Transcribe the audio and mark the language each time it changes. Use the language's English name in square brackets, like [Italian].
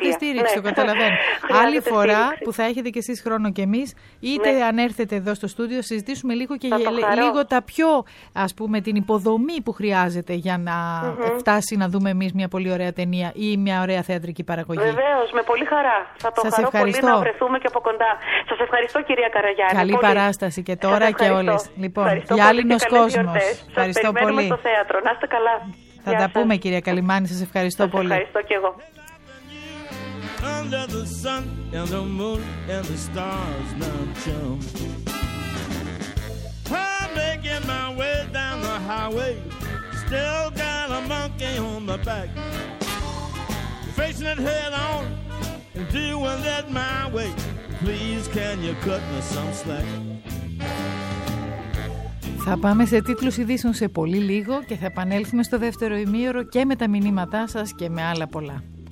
[Greek] Χρειάζεται στήριξη, το καταλαβαίνω. Άλλη φορά που θα έχετε κι εσείς χρόνο κι εμείς, είτε αν έρθετε εδώ στο στούντιο, συζητήσουμε λίγο και λίγο τα πιο, ας πούμε, την υποδομή που χρειάζεται για να φτάσει να δούμε εμείς μια πολύ ωραία ταινία ή μια ωραία θεατρική παραγωγή. Βεβαίως, με πολύ χαρά. Θα το χαρώ πολύ να βρεθούμε και από κοντά. Σας ευχαριστώ, κυρία Καραγιάννη. Καλή παράσταση και τώρα και όλες. Λοιπόν, γυάλινος κόσμος. Ευχαριστώ πολύ. Σας περιμένουμε στο θέατρο. Να είστε καλά. Θα τα πούμε, κυρία Καλυμάνη. Σας ευχαριστώ πολύ. Ευχαριστώ και εγώ. [English] Under the sun and the moon and the stars now jump. I'm making my way down the highway. Still got a monkey on my back. Facing it head on and doing it my way. Please can you cut me some slack? [Greek] Θα πάμε σε τίτλους ειδήσεων σε πολύ λίγο και θα επανέλθουμε στο δεύτερο ημίωρο και με τα μηνύματά σας και με άλλα πολλά.